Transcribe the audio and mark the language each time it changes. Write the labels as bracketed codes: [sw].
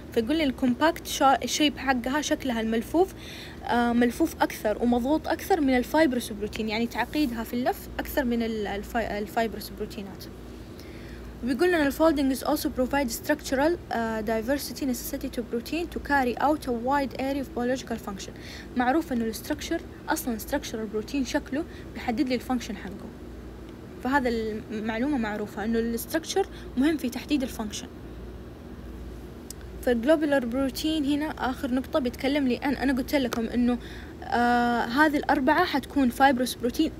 [ar] فيقول لي الكومباكت شيب حقها، شكلها الملفوف ملفوف أكثر ومضغوط أكثر من الفايبرس بروتين، يعني تعقيدها في اللف أكثر من الفايبرس بروتينات. بيقول لنا الفولدينج [en] is also provide structural diversity necessity to protein to carry out a wide area of biological function. [ar] معروف أنه الستركتشر أصلا structure البروتين شكله بيحدد لي الفانكشن حقه، فهذا المعلومة معروفة انه الستركتشر مهم في تحديد الفانكشن. فالجلوبولر بروتين هنا اخر نقطة بيتكلم لي، انا قلت لكم انه هذه الاربعة حتكون فايبروس بروتين.